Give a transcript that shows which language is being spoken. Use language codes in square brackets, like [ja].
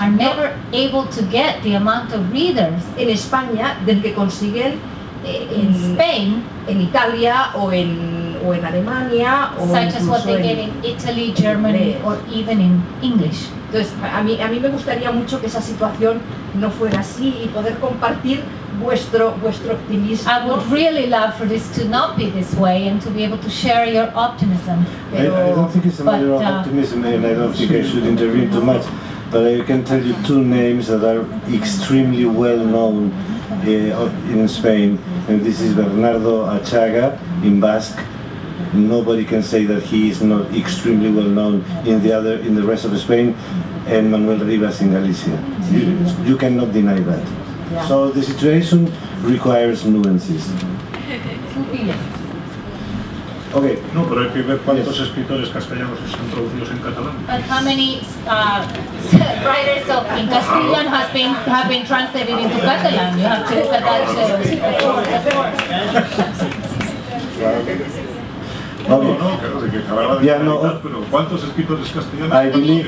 [en] are never able to get the amount of readers [es] en España del que consiguen [en] in Spain, [es] en Italia o en Alemania, [en] such as what they get in Italy, Germany, or even in English. [es] Entonces, a mí me gustaría mucho que esa situación no fuera así y poder compartir vuestro optimismo. [en] I would really love for this to not be this way and to be able to share your optimism. I don't think it's a matter of optimism, and I don't think I should intervene too much, but I can tell you two names that are extremely well known in Spain, and this is Bernardo Achaga in Basque. Nobody can say that he is not extremely well known in the rest of Spain, and Manuel Rivas in Galicia. You cannot deny that. Yeah. So the situation requires nuances. Okay. [es] No, pero hay que ver cuántos escritores castellanos están traducidos en catalán. [en] But how many writers in Castilian have been translated into Catalan? You have to look at that. Okay. I believe.